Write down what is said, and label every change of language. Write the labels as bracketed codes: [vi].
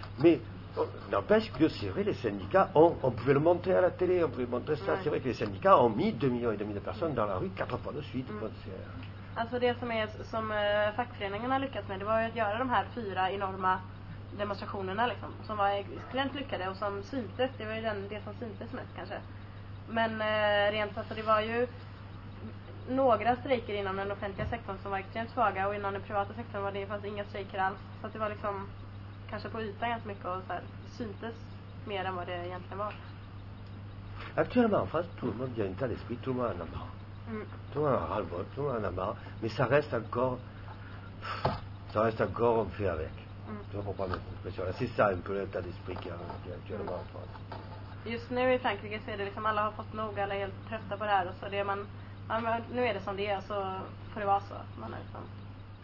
[fr] Mais n'empêche que c'est vrai, les syndicats on pouvait le montrer à la télé, on pouvait montrer ça. Ouais. C'est vrai que les syndicats ont mis 2,5 millions de personnes dans la rue 4 fois de suite. Mm. [sv] Alltså det som fackföreningarna har lyckats med, det var ju att göra de här 4 enorma demonstrationerna liksom, som var extremt lyckade och som syntes, det var ju det som syntes mest kanske. Men rent alltså, det var ju några strejker inom den offentliga sektorn som var extremt svaga, och inom den privata sektorn var det faktiskt inga strejker alls. Så att det var liksom kanske på ytan ganska mycket och så här, syntes mer än vad det egentligen var. [fr] Actuellement en France, tout le monde vient à l'esprit, tout le monde en a marre. Tout le monde en a ras-le-bol, tout le monde en a marre. Mais ça reste encore on fait avec. Tu vois, pour pas mettre l'impression là. C'est ça un peu l'état d'esprit qu'il y a actuellement en France. [sv] Just nu i Frankrike så är det liksom, alla har fått nog, alla är helt trötta på det här, och så det är man, nu är det som det är, så får det vara så. Man är liksom